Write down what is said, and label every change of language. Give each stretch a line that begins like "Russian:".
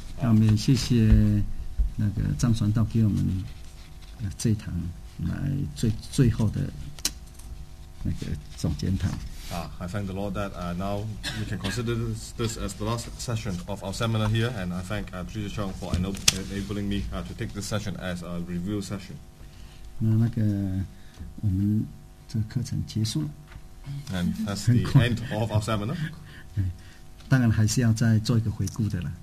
Chinese: 那我们也谢谢那个张传道给我们这一堂来最后的那个总监堂。
English: I thank the Lord that now we can consider this as the last session of our seminar here, and I thank Jesus Chong for enabling me to take this session as a review session.
Chinese: 那个我们这个课程结束了。
English: And that's the end of our seminar.
Chinese: 当然还是要再做一个回顾的了。